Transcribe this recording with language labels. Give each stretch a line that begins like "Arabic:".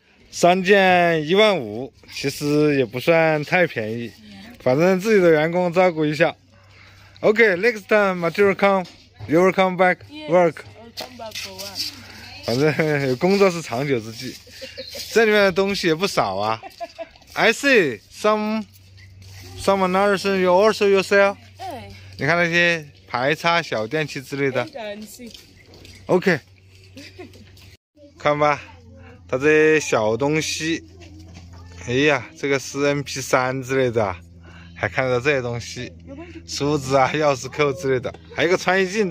Chinese: 三件15000，其实也不算太便宜，反正自己的员工照顾一下。
English: OK next time material come you will come back work。 yes, come back for work。
Chinese: 反正有工作是长久之计。这里面的东西也不少啊。
English: I see some another thing you also you sell。
Chinese: 你看那些排插小电器之类的。OK看吧，他这些小东西，哎呀，这个是 MP3 之类的，还看到这些东西，梳子啊、钥匙扣之类的，还有个穿衣镜。